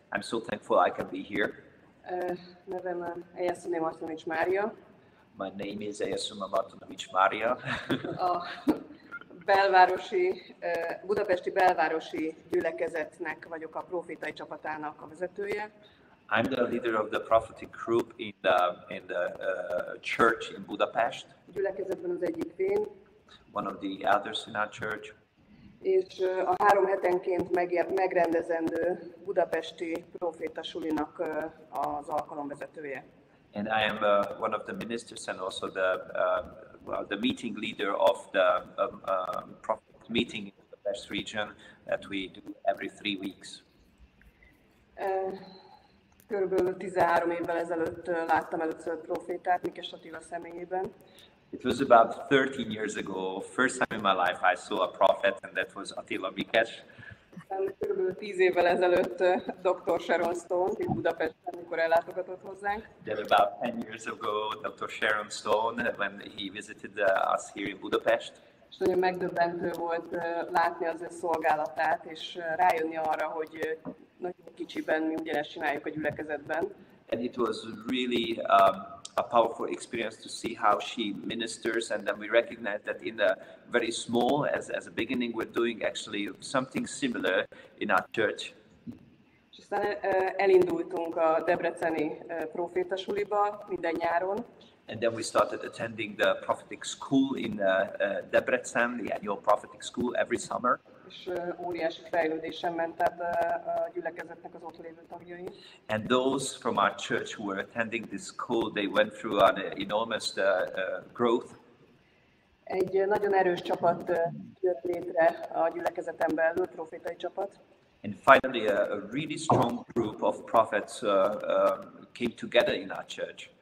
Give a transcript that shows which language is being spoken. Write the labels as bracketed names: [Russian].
[English] I'm so thankful I can be here. [Hungarian] Nevem Eyasunné Martinovics Mária. [English] My name is Eyasunné Martinovics Mária. [Hungarian] A belvárosi, budapesti belvárosi gyülekezetnek vagyok a prófétai csapatának a vezetője. [English] I'm the leader of the prophetic group in the church in Budapest. [Hungarian] Gyülekezetben az egyik fén. [English] One of the elders in our church. [Hungarian] És a három hetenként megrendezendő budapesti proféta sulinak az alkalomvezetője. [English] And I am one of the ministers and also the meeting leader of the prophet meeting in the Budapest region that we do every 3 weeks. [Hungarian] Körülbelül 13 évvel ezelőtt láttam először prófétát Nikes Attila személyében. [English] It was about 13 years ago, first time in my life I saw a prophet, and that was Attila Mikes. [Hungarian] Körülbelül 10 évvel ezelőtt Dr. Sharon Stone, itt Budapesten, amikor ellátogatott hozzánk. [English] Then about 10 years ago, Dr. Sharon Stone, when he visited us here in Budapest. [Hungarian] És nagyon megdöbbentő volt látni az ő szolgálatát, és rájönni arra, hogy nagyon kicsiben mi ugyanezt csináljuk a gyülekezetben. [English] And it was really a powerful experience to see how she ministers, and then we recognize that in the very small, as a beginning, we're doing actually something similar in our church. [Hungarian] És aztán elindultunk a debreceni prófétasuliba minden nyáron. [English] And then we started attending the prophetic school in Debrecen, the annual prophetic school every summer. [Hungarian] És óriási fejlődésen ment át a gyülekezetnek az ott lévő tagjai. [English] And those from our church who were attending this school, they went through an enormous growth. [Hungarian] Egy nagyon erős csapat jött létre a gyülekezeten belül, profétai csapat. [English] And finally a really strong group of prophets came together in our church.